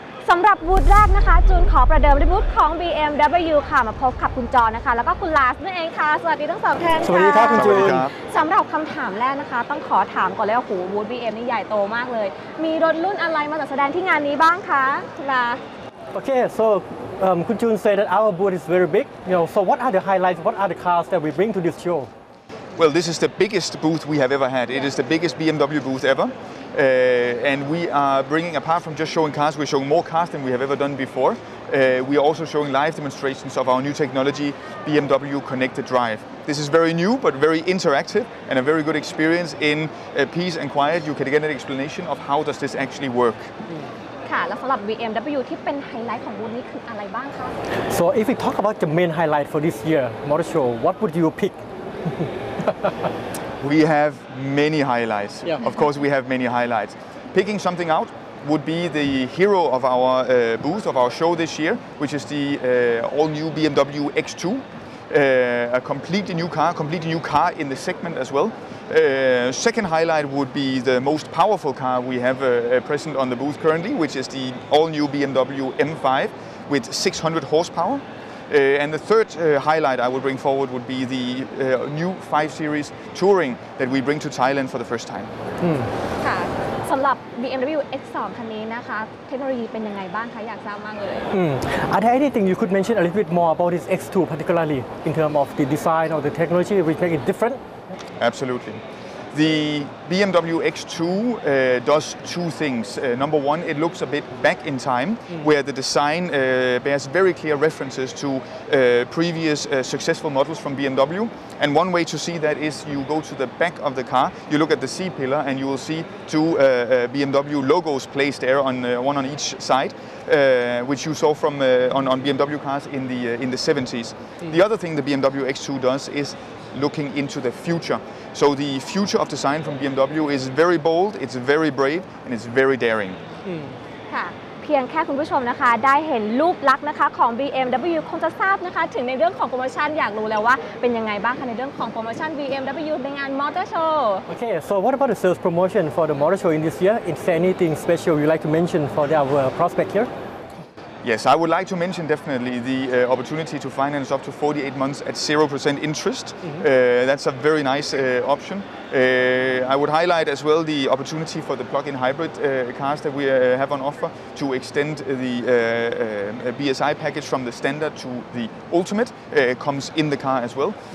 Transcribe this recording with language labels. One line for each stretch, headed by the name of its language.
Thai: สำหรับบูธแรกนะคะจูนขอประเดิมบูธของ BMW ค่ะมาพบกับคุณจอนะคะแล้วก็คุณลาสนั่นเองค่ะสวัสดีทั้งสองท่าน สวัสดีครับคุณจูน สำหรับคำถามแรกนะคะต้องขอถามก่อนเลยว่าโหบูธ BMW นี่ใหญ่โตมากเลยมีรถรุ่นอะไรมาแสดงที่งานนี้บ้างคะลา
English: โอเค so คุณจูน say that our booth is very big you know so what are the highlights what are the cars that we bring to this show well this is the biggest booth we have ever had it is the biggest BMW booth everand we are bringing, apart from just showing cars, we're showing more cars than we have ever done before. We are also showing live demonstrations of our new technology, BMW Connected Drive. This is very new, but very interactive and a very good experience in peace and quiet. You can get an explanation of how does this actually work.
Thai: ค่ะ แล้วสำหรับ BMW ที่เป็นไฮไลท์ของบูธนี้คืออะไรบ้างคะ
English: So if we talk about the main highlight for this year, Motor Show, what would you pick? We have many highlights. Yeah. Of course, we have many highlights. Picking something out would be the hero of our booth, of our show this year, which is the all-new BMW X2, a completely new car, in the segment as well. Second highlight would be the most powerful car we have present on the booth currently, which is the all-new BMW M5 with 600 horsepower. And the third highlight I would bring forward would be the new 5 Series Touring that we bring to Thailand for the first time.
Thai: ค่ะสำหรับ BMW X2 คันนี้นะคะเทคโนโลยีเป็นยังไงบ้างคะอยากทราบมากเลย
English: Are there anything you could mention a little bit more about this X2 particularly in terms of the design or the technology which make it different? Absolutely. The BMW X2 does two things. Number one, it looks a bit back in time, where the design bears very clear references to previous successful models from BMW. And one way to see that is you go to the back of the car, you look at the C-pillar, and you will see two BMW logos placed there, on one on each side, which you saw from on BMW cars in the 70s. The other thing the BMW X2 does is looking into the future. So the future of design from BMW is very bold, it's very brave, and it's very daring.
Thai: ค่ะเพียงแค่คุณผู้ชมนะคะได้เห็นรูปลักษณ์นะคะของ BMW คงจะทราบนะคะถึงในเรื่องของโปรโมชั่นอยากรู้แล้วว่าเป็นยังไงบ้างคะในเรื่องของโปรโมชั่น BMW ในงาน Motor Show
English: Okay, so what about the sales promotion for the Motor Show in this year? Is there anything special you'd like to mention for our prospect here? Yes, I would like to mention definitely the opportunity to finance up to 48 months at 0% interest. That's a very nice option. I would highlight as well the opportunity for the plug-in hybrid cars that we have on offer to extend the BSI package from the standard to the ultimate comes in the car as well.